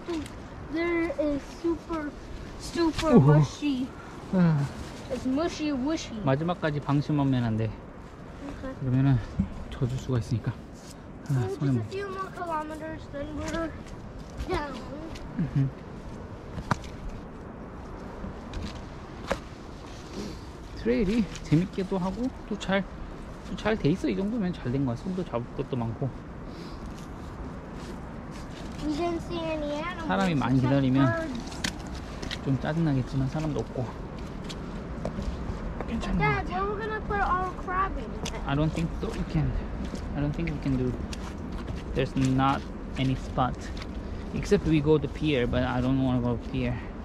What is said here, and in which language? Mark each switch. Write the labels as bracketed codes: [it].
[en] Oh my god, there is super, super mushy. It's mushy, mushy. [ko] 마지막까지 방심하면 안 돼. [en] Okay. [ko] 그러면은 젖을 수가 있으니까. [en] So 아, just a few more kilometers, then we're down. [ko] 트레일이 재밌게도 하고 또 잘, 또 잘 돼 있어. 이 정도면 잘 된 거야. 손도 잡을 것도 많고. [en] You didn't see any animals. [ko] 사람이 많이 기다리면 [en] birds. [ko] 좀 짜증나겠지만 사람도 없고 괜찮아. [en] Dad, where we gonna put our crab in? I don't think so. We can. I don't think we can do. There's not any spot. Except we go to pier, but I don't want to go to pier.